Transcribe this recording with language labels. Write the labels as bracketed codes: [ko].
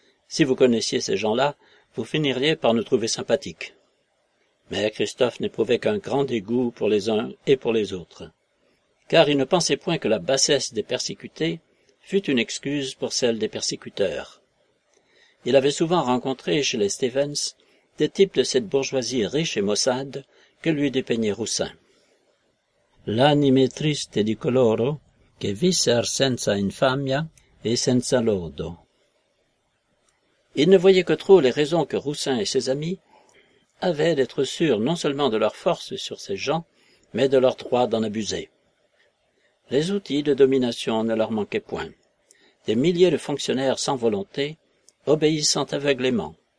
[fr] Si vous connaissiez ces gens-là, vous finiriez par nous trouver sympathiques. » Mais Christophe n'éprouvait qu'un grand dégoût pour les uns et pour les autres, car il ne pensait point que la bassesse des persécutés fût une excuse pour celle des persécuteurs. Il avait souvent rencontré chez les Stevens des types de cette bourgeoisie riche et maussade que lui dépeignait Roussin. [it] L'anime triste di coloro che visser senza infamia e senza lodo. [fr] Il ne voyait que trop les raisons que Roussin et ses amis avaient d'être sûrs non seulement de leur force sur ces gens, mais de leur droit d'en abuser. Les outils de domination ne leur manquaient point. Des milliers de fonctionnaires sans volonté, obéissant aveuglément.